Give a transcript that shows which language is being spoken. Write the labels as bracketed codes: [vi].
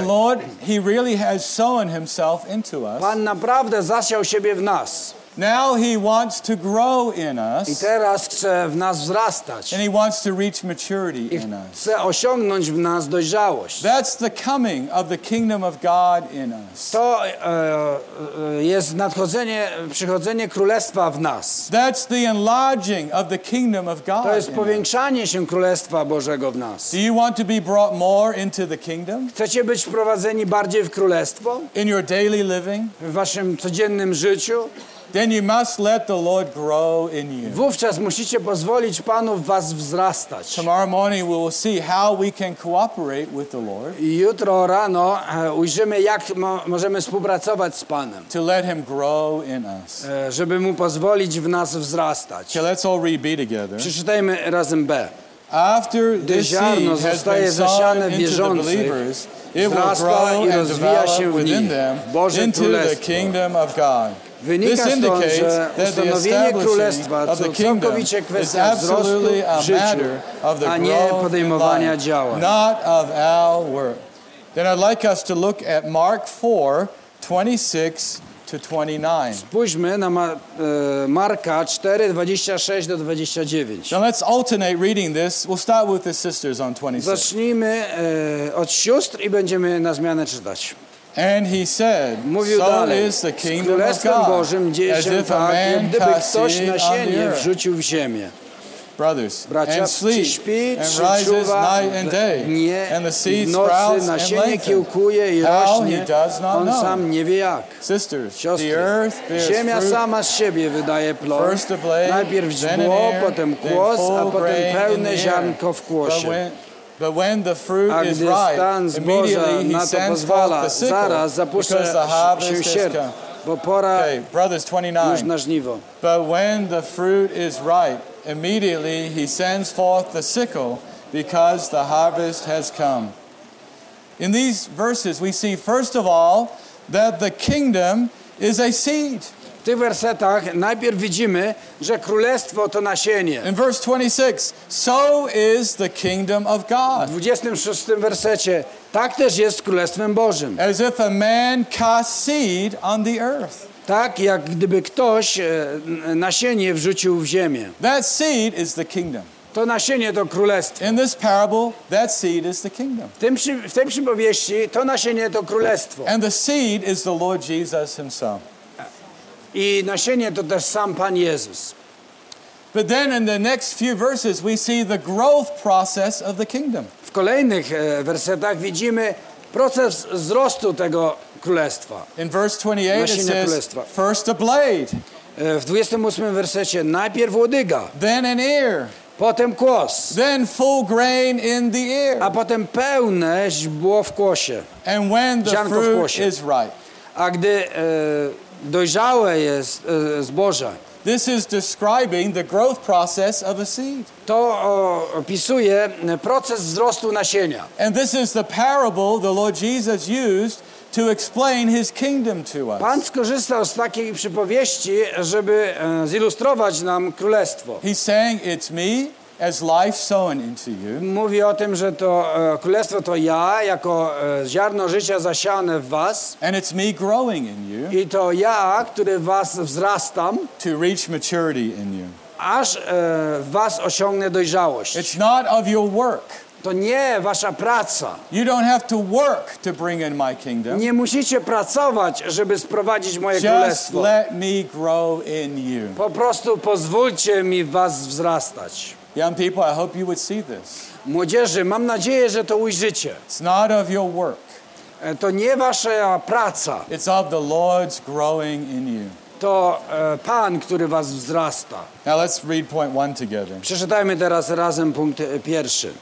[en] The Lord, he really has sown himself into us. [pl] Pan naprawdę zasiał siebie w nas. [en] Now he wants to grow in us. [pl] I teraz chce w nas wzrastać. [en] And he wants to reach maturity in us. [pl] I chce osiągnąć w nas dojrzałość. [en] That's the coming of the kingdom of God in us. [pl] To jest nadchodzenie, przychodzenie królestwa w nas. [en] That's the enlarging of the kingdom of God. [pl] To jest powiększanie się królestwa Bożego w nas. [en] Do you want to be brought more into the kingdom? [pl] Chcecie być wprowadzeni bardziej w królestwo? [en] In your daily living? [pl] W waszym codziennym życiu? [en] Then you must let the Lord grow in you. [pl] Wówczas musicie pozwolić Panu w was wzrastać. [en] Tomorrow morning we will see how we can cooperate with the Lord. [pl] Jutro rano ujrzymy, jak możemy współpracować z Panem. [en] To let him grow in us. [pl] Żeby mu pozwolić w nas wzrastać. [en] Okay, let's all read B together. [pl] Przeczytajmy razem B. [en] After the seed has been sown into the believers, it will grow and develop within them into the kingdom of God. This indicates that the establishing of the kingdom is absolutely a matter of the growth in life, not of our work. Then I'd like us to look at Mark 4, 26 to 29. [pl] Spójrzmy na Marka 4, 26 do 29. [en] Now let's alternate reading this. We'll start with the sisters on 26. [pl] Zacznijmy od sióstr i będziemy na zmianę czytać. [en] And he said, [pl] mówił [en] so [pl] dalej, [en] is the kingdom of God, [pl] Bożym, [en] as if [pl] tak, [en] a man casts seed on the earth. Brothers, [pl] bracia, [en] and sleep, [pl] śpi, [en] and rises night and day, [pl] nie, [en] and the seed sprouts and lengthens. How he does not [pl] on [en] know. [pl] Sam nie wie jak. [en] Sisters, [pl] siostry, [en] the earth bears [pl] ziemia [en] fruit, [pl] sama z siebie wydaje plon, [en] first a blade, [pl] najpierw [en] then an ear, [pl] potem kłos, [en] then full [pl] a potem [en] grain [pl] pełne [en] in the [pl] ziarnko w kłosie. [en] But when the fruit is ripe, immediately he sends forth the sickle, because the harvest has come. Okay, brothers, 29. But when the fruit is ripe, immediately he sends forth the sickle, because the harvest has come. In these verses, we see, first of all, that the kingdom is a seed. [pl] W tych wersetach najpierw widzimy, że królestwo to nasienie. [en] In verse 26, so is the kingdom of God. [pl] W 26 wersecie, tak też jest królestwem Bożym. [en] As if a man cast seed on the earth. [pl] Tak, jak gdyby ktoś nasienie wrzucił w ziemię. [en] That seed is the kingdom. [pl] To nasienie to królestwo. [en] In this parable, that seed is the kingdom. [pl] W tej przypowieści to nasienie to królestwo. [en] And the seed is the Lord Jesus himself. [pl] I nasienie to też sam Pan Jezus. [en] But then in the next few verses we see the growth process of the kingdom. [pl] W kolejnych wersetach widzimy proces wzrostu tego królestwa. [en] In verse 28 [pl] nasienie [en] it says, first a blade. [pl] W 28 wersecie najpierw łodyga. [en] Then an ear. [pl] Potem kłos. [en] Then full grain in the ear. [pl] A potem pełne żbło w kłosie. [en] And when the fruit is ripe. [pl] A gdy dojrzałe jest zboża. [en] This is describing the growth process of a seed. [pl] To opisuje proces wzrostu nasienia. [en] And this is the parable the Lord Jesus used to explain his kingdom to us. [pl] Pan skorzystał z takiej przypowieści, żeby zilustrować nam królestwo. [en] He's saying it's me as life sown into you. [pl] Mówi o tym, że to królestwo to ja, jako ziarno życia zasiane w was. [en] And it's me growing in you. [pl] I to ja, który w was wzrastam. [en] To reach maturity in you. [pl] Aż w was osiągnę dojrzałość. [en] It's not of your work. [pl] To nie wasza praca. [en] You don't have to work to bring in my kingdom. [pl] Nie musicie pracować, żeby sprowadzić moje [en] just [pl] królestwo. [en] Just let me grow in you. [pl] Po prostu pozwólcie mi w was wzrastać. [en] Young people, I hope you would see this. [pl] Młodzieży, mam nadzieję, że to ujrzycie. [en] It's not of your work. [pl] To nie wasza praca. [en] It's of the Lord's growing in you. [pl] To Pan, który was wzrasta. [en] Now let's read point one together. [pl] Przeczytajmy teraz razem punkt pierwszy.